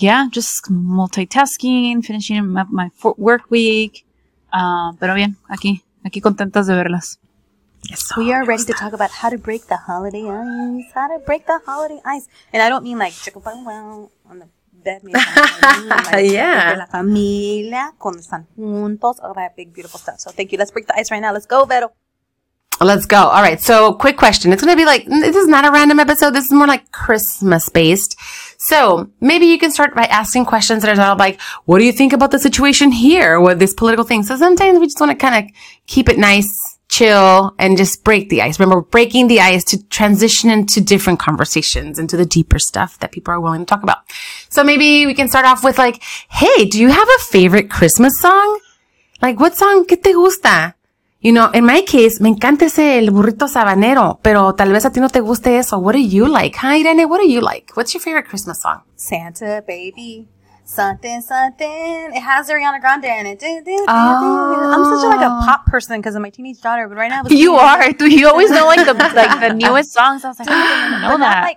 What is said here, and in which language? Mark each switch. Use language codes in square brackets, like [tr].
[en] Just multitasking, finishing up my work week. [es] Pero bien, aquí contentas de verlas. [en] Yes. We are ready to talk about how to break the holiday ice. How to break the holiday ice. And I don't mean like chicka bum wow on the bed. Yeah. [es] La familia, cuando están juntos, [en] all that big, beautiful stuff. So thank you. Let's break the ice right now. Let's go, Vero. Let's go. All right. So quick question. It's going to be like, this is not a random episode. This is more like Christmas based. So maybe you can start by asking questions that are not like, what do you think about the situation here with this political thing? So sometimes we just want to kind of keep it nice, chill, and just break the ice. Remember, breaking the ice to transition into different conversations, into the deeper stuff that people are willing to talk about. So maybe we can start off with like, hey, do you have a favorite Christmas song? Like, what song? [es] ¿Qué te gusta? [en] You know, in my case, [es] me encanta ese el burrito sabanero, pero tal vez a ti no te guste eso. [en] What do you like? Hi, Irene, what do you like? What's your favorite Christmas song? Santa Baby. Something. It has Ariana Grande in it. I'm such a, like, a pop person because of my teenage daughter. But right now, you are. Do you always know like the newest songs? I was like, I don't even know that.